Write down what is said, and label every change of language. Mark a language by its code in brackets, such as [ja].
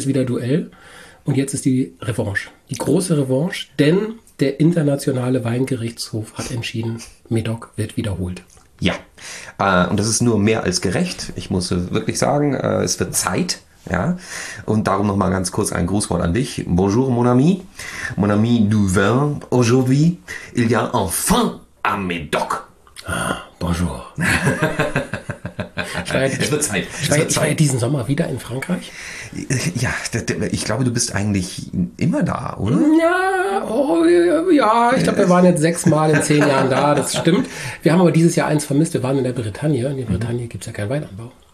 [de] ist wieder Duell und jetzt ist die Revanche, die große Revanche, denn der internationale Weingerichtshof hat entschieden, Medoc wird wiederholt. Ja, und das ist nur mehr als gerecht. Ich muss wirklich sagen, es wird Zeit. Ja, und darum nochmal ganz kurz ein Grußwort an dich. [fr] Bonjour mon ami du vin, aujourd'hui, il y a enfin un Médoc. Ah, bonjour. [de] Es wird Zeit, es wird Ich war ja Zeit. diesen Sommer wieder in Frankreich. Ja, ich glaube, du bist eigentlich immer da, oder? Ja, oh, ja, ich glaube, wir waren jetzt 6 Mal in 10 Jahren da, das stimmt. Wir haben aber dieses Jahr eins vermisst. Wir waren in der Bretagne. In der Bretagne gibt es ja keinen Weinanbau.